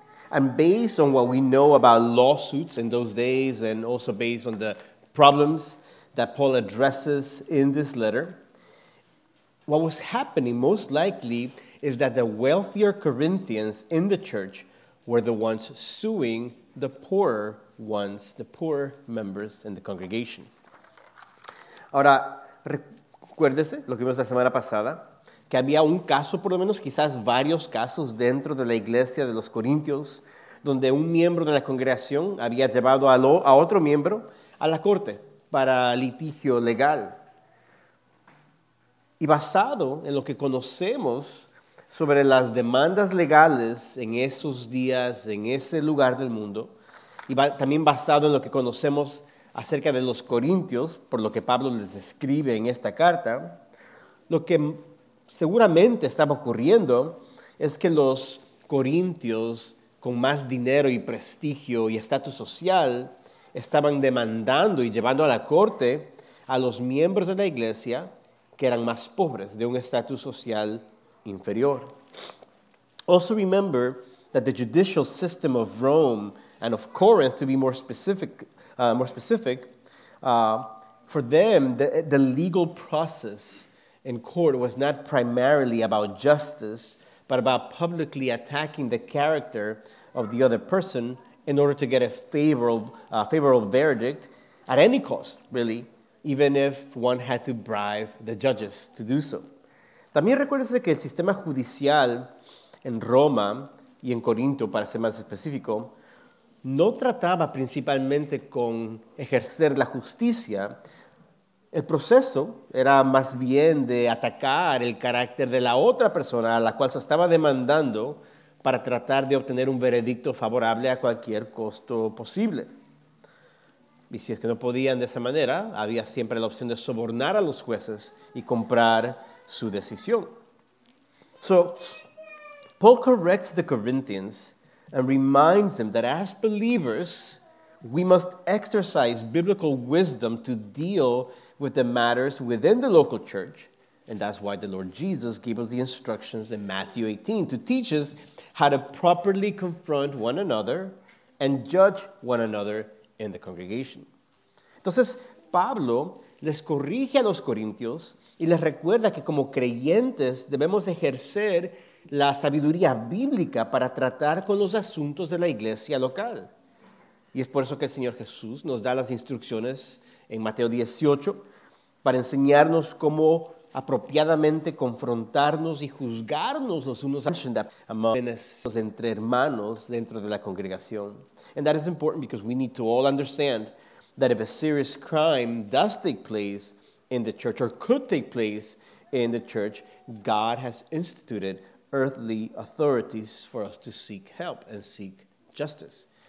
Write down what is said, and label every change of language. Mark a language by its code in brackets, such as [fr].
[en] And based on what we know about lawsuits in those days, and also based on the problems that Paul addresses in this letter, what was happening most likely is that the wealthier Corinthians in the church were the ones suing the poorer ones, the poorer members in the congregation. [es] Ahora, recuérdese lo que vimos la semana pasada, que había un caso, por lo menos quizás varios casos dentro de la iglesia de los corintios, donde un miembro de la congregación había llevado a otro miembro a la corte para litigio legal. Y basado en lo que conocemos sobre las demandas legales en esos días, en ese lugar del mundo, y también basado en lo que conocemos acerca de los corintios, por lo que Pablo les escribe en esta carta, lo que seguramente estaba ocurriendo es que los corintios con más dinero y prestigio y estatus social estaban demandando y llevando a la corte a los miembros de la iglesia que eran más pobres, de un estatus social inferior. [en] Also remember that the judicial system of Rome and of Corinth, to be more specific, for them, the legal process in court was not primarily about justice, but about publicly attacking the character of the other person in order to get a favorable verdict at any cost, really, even if one had to bribe the judges to do so. [es] También recuérdese que el sistema judicial en Roma y en Corinto, para ser más específico, no trataba principalmente con ejercer la justicia. El proceso era más bien de atacar el carácter de la otra persona a la cual se estaba demandando para tratar de obtener un veredicto favorable a cualquier costo posible. Y si es que no podían de esa manera, había siempre la opción de sobornar a los jueces y comprar su decisión. [en] So, Paul corrects the Corinthians and reminds them that as believers, we must exercise biblical wisdom to deal with the matters within the local church. And that's why the Lord Jesus gave us the instructions in Matthew 18 to teach us how to properly confront one another and judge one another in the congregation. [es] Entonces, Pablo les corrige a los corintios y les recuerda que como creyentes debemos ejercer la sabiduría bíblica para tratar con los asuntos de la iglesia local. Y es por eso que el Señor Jesús nos da las instrucciones en Mateo 18 para enseñarnos cómo apropiadamente confrontarnos y juzgarnos los unos a los otros entre hermanos dentro de la congregación. [en] And that is important because we need to all understand that if a serious crime does take place in the church or could take place in the church, God has instituted earthly authorities for us to seek help and seek justice.